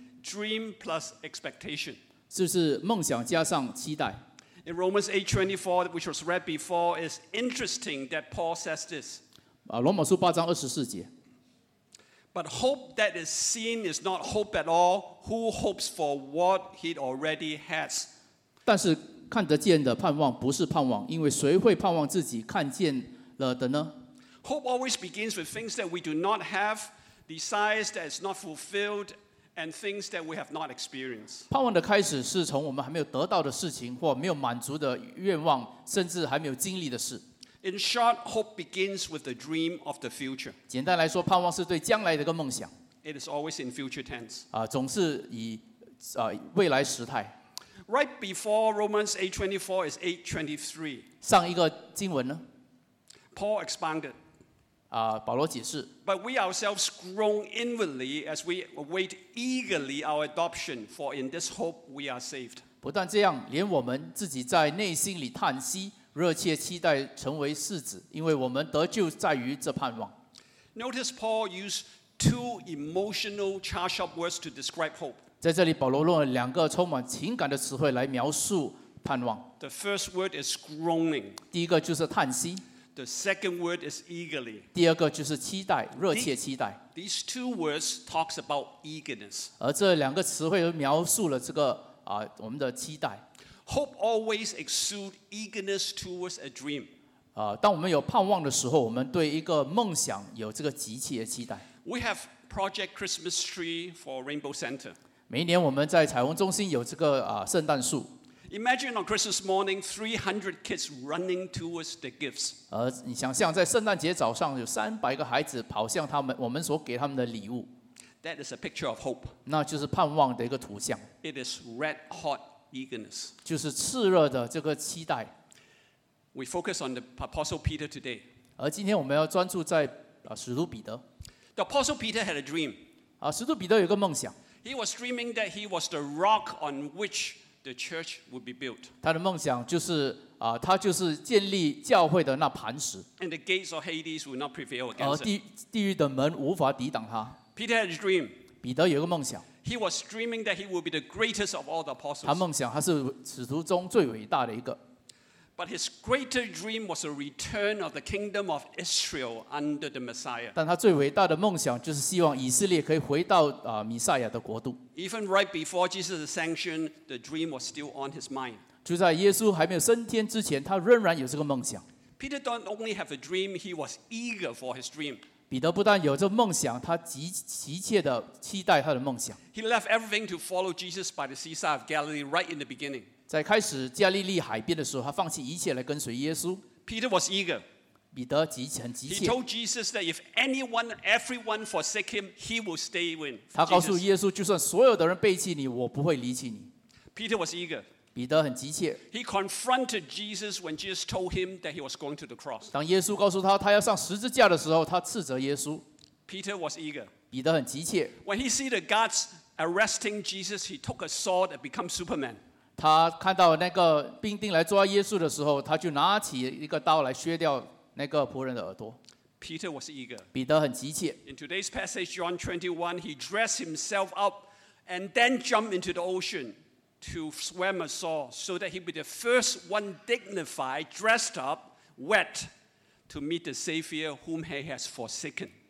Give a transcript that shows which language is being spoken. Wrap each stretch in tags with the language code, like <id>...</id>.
<en>Dream plus expectation.</en> <zh>就是梦想加上期待。</zh> <en>In Romans 8:24, which was read before, it's interesting that Paul says this.</en> <zh>罗马书八章二十四节。</zh> <en>But hope that is seen is not hope at all. Who hopes for what he already has?</en> <zh>但是看得见的盼望不是盼望，因为谁会盼望自己看见了的呢？</zh> <en>Hope always begins with things that we do not have, desires that is not fulfilled, and things that we have not experienced.</en> <zh>盼望的开始是从我们还没有得到的事情，或没有满足的愿望，甚至还没有经历的事。</zh> <en>In short, hope begins with the dream of the future.</en> <zh>简单来说，盼望是对将来的一个梦想。</zh> <en>It is always in future tense.</en> <zh>总是以未来时态。</zh> <en>Right before Romans 8:24 is 8:23.</en> <zh>上一个经文呢</zh> <en>？Paul expounded.</en> <zh>保罗解释。</zh> <en>But we ourselves groan inwardly as we await eagerly our adoption, for in this hope we are saved.</en> <zh>不但这样，连我们自己在内心里叹息，热切期待成为世子，因为我们得救在于这盼望。</zh> <en>Notice Paul used two emotional charged up words to describe hope.</en> <zh>在这里，保罗用了两个充满情感的词汇来描述盼望。</zh> <en>The first word is groaning.</en> <zh>第一个就是叹息。</zh> <en>The second word is eagerly.</en> <zh>第二个就是期待，热切期待。</zh> <en>These two words talk about eagerness.</en> <zh>而这两个词汇描述了这个啊我们的期待。</zh> <en>Hope always exudes eagerness towards a dream.</en> <zh>当我们有盼望的时候，我们对一个梦想有这个急切的期待。</zh> <en>We have Project Christmas Tree for Rainbow Center.</en> <zh>每一年我们在彩虹中心有这个圣诞树。</zh> <en>Imagine on Christmas morning, 300 kids running towards the gifts.</en> <zh>你想象在圣诞节早上有300个孩子跑向他们，我们所给他们的礼物。</zh> <en>That is a picture of hope.</en> <zh>那就是盼望的一个图像。</zh> <en>It is red hot eagerness.</en> <zh>就是炽热的这个期待。</zh> <en>We focus on the Apostle Peter today.</en> <zh>而今天我们要专注在使徒彼得。</zh> <en>The Apostle Peter had a dream.</en> <zh>使徒彼得有一个梦想。</zh> <en>He was dreaming that he was the rock on which the church would be built.</en> <zh>他的梦想就是他就是建立教会的那磐石。</zh> <en>And the gates of Hades would not prevail against him.</en> <zh>地狱的门无法抵挡他。</zh> <en>Peter had a dream.</en> <zh>彼得有一个梦想。</zh> <en>He was dreaming that he would be the greatest of all the apostles.</en> <zh>他梦想他是使徒中最伟大的一个。</zh> <en>But his greater dream was a return of the kingdom of Israel under the Messiah.</en> <zh>但他最伟大的梦想就是希望以色列可以回到弥赛亚的国度。</zh> <en>Even right before Jesus' ascension, the dream was still on his mind.</en> <zh>就在耶稣还没有升天之前，他仍然有这个梦想。</zh> <en>Peter didn't only have a dream; he was eager for his dream.</en> <zh>彼得不但有这梦想，他急切的期待他的梦想。</zh> <en>He left everything to follow Jesus by the seaside of Galilee right in the beginning.</en> <zh>在开始加利利海边的时候，他放弃一切来跟随耶稣。</zh> <en>Peter was eager.</en> <zh>彼得很急切。</zh> <en>He told Jesus that if anyone, everyone forsake him, he will stay with him.</en> <zh>他告诉耶稣，就算所有的人背弃你，我不会离弃你。</zh> <en>Peter was eager.</en> <zh>彼得很急切。</zh> <en>He confronted Jesus when Jesus told him that he was going to the cross.</en> <zh>当耶稣告诉他他要上十字架的时候，他斥责耶稣。</zh> <en>Peter was eager.</en> <zh>彼得很急切。</zh> <en>When he see the guards arresting Jesus, he took a sword and become Superman.</en> <zh>他看到那个兵丁来抓耶稣的时候，他就拿起一个刀来削掉那个仆人的耳朵。</zh> <en>Peter was eager.</en> <zh>彼得很急切。</zh> <en>In today's passage, John 21, he dressed himself up and then jumped into the ocean to swim ashore so that he'd be the first one dignified, dressed up, wet, to meet the Savior whom he has forsaken.</en>